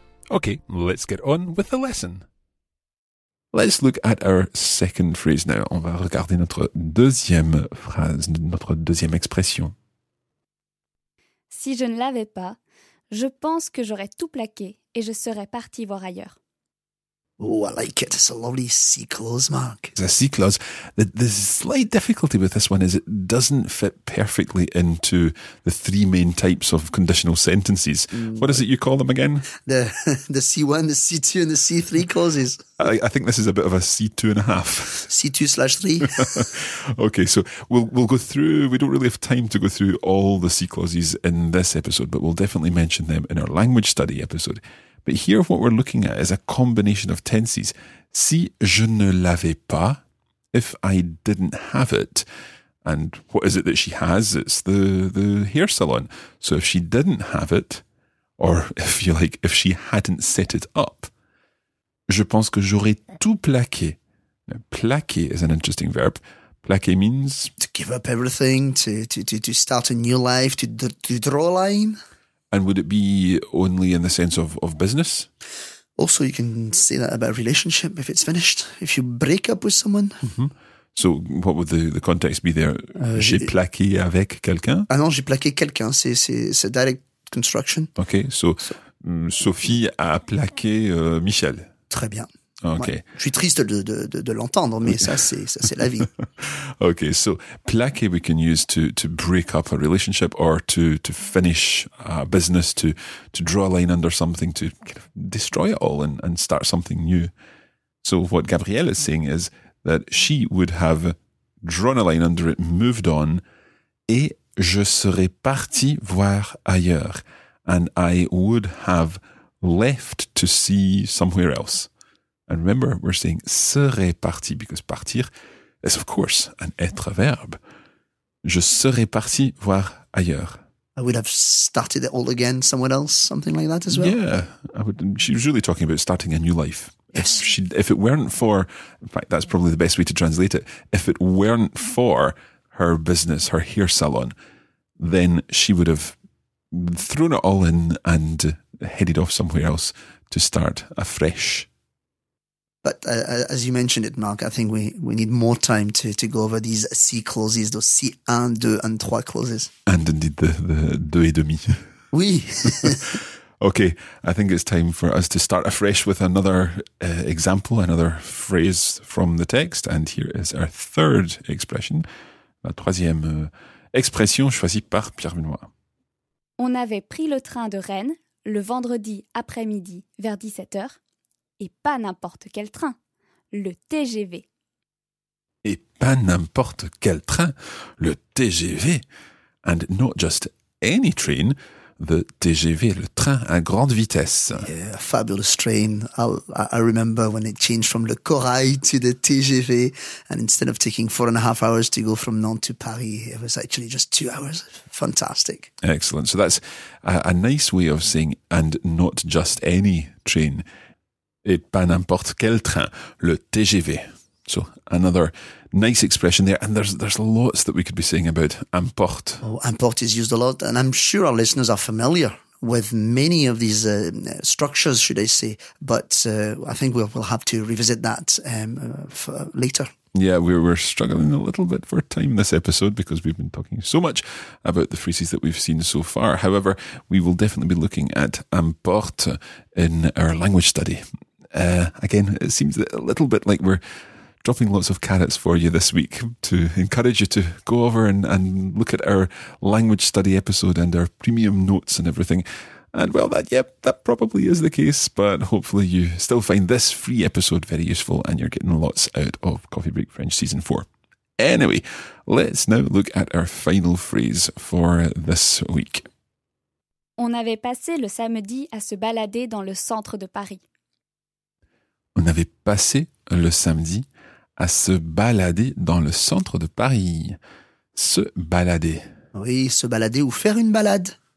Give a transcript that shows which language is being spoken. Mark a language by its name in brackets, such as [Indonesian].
[English] Okay, let's get on with the lesson. Let's look at our second phrase now. [French] On va regarder notre deuxième phrase, notre deuxième expression. Si je ne l'avais pas, je pense que j'aurais tout plaqué et je serais parti voir ailleurs. [English] Oh, I like it. It's a lovely C clause, Mark. It's a C clause. The slight difficulty with this one is it doesn't fit perfectly into the three main types of conditional sentences. What is it you call them again? The C1, the C2 and the C3 clauses. I think this is a bit of a C2.5. C2/3. Okay, so we'll go through. We don't really have time to go through all the C clauses in this episode, but we'll definitely mention them in our language study episode. But here what we're looking at is a combination of tenses. [French] Si je ne l'avais pas, [English] if I didn't have it. And what is it that she has? It's the hair salon. So if she didn't have it, or if you like, if she hadn't set it up. [French] Je pense que j'aurais tout plaqué. [English] Now, plaqué is an interesting verb. Plaqué means... to give up everything, to start a new life, to draw a line. And would it be only in the sense of business? Also, you can say that about a relationship if it's finished. If you break up with someone. Mm-hmm. So what would the context be there? [French] J'ai plaqué avec quelqu'un? Ah non, j'ai plaqué quelqu'un. C'est a direct construction. [English] Okay, so [French] Sophie a plaqué Michel. Très bien. [English] Okay. [French] Ouais. Je suis triste de l'entendre, mais ça c'est la vie. [English] Okay, so plaqué we can use to break up a relationship or to finish a business, to draw a line under something, to kind of destroy it all and start something new. So what Gabrielle is saying is that she would have drawn a line under it, moved on, [French] et je serais parti voir ailleurs, [English] and I would have left to see somewhere else. And remember, we're saying serais parti, because partir is, of course, an être verb. [French] Je serais parti voir ailleurs. [English] I would have started it all again, someone else, something like that as well. Yeah, she was really talking about starting a new life If it weren't for, in fact, that's probably the best way to translate it. If it weren't for her business, her hair salon, then she would have thrown it all in and headed off somewhere else to start afresh. But as you mentioned it, Mark, I think we need more time to go over these C clauses, those C 1, 2 and 3 clauses. And indeed the 2 [French] et demi. Oui. [English] Okay, I think it's time for us to start afresh with another example, another phrase from the text. And here is our third expression, [French] la troisième expression choisie par Pierre Benoît. On avait pris le train de Rennes le vendredi après-midi vers 17h. Et pas n'importe quel train, le TGV. Et pas n'importe quel train, le TGV. [English] And not just any train, the TGV, [French] le train à grande vitesse. [English] Yeah, a fabulous train. I remember when it changed from le corail to the TGV. And instead of taking 4.5 hours to go from Nantes to Paris, it was actually just 2 hours. Fantastic. Excellent. So that's a nice way of saying, and not just any train. [French] Et pas n'importe quel train, le TGV. [English] So another nice expression there. And there's lots that we could be saying about importe. Oh, importe is used a lot. And I'm sure our listeners are familiar with many of these structures, should I say. But I think we'll have to revisit that for later. Yeah, we're struggling a little bit for time this episode because we've been talking so much about the phrases that we've seen so far. However, we will definitely be looking at importe in our language study. Again, it seems a little bit like we're dropping lots of carrots for you this week to encourage you to go over and look at our language study episode and our premium notes and everything. And well, that probably is the case, but hopefully you still find this free episode very useful and you're getting lots out of Coffee Break French Season 4. Anyway, let's now look at our final phrase for this week. [French] On avait passé le samedi à se balader dans le centre de Paris. On avait passé le samedi à se balader dans le centre de Paris. Se balader. Oui, se balader ou faire une balade.